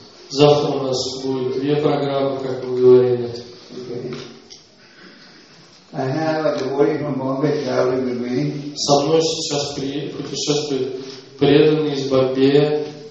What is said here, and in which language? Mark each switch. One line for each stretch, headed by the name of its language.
Russian: Завтра у нас будет две программы, как мы говорили.
English: I have a devotee from Bombay traveling with me.
Russian: Со мной сейчас путешествует преданный из Бомбея.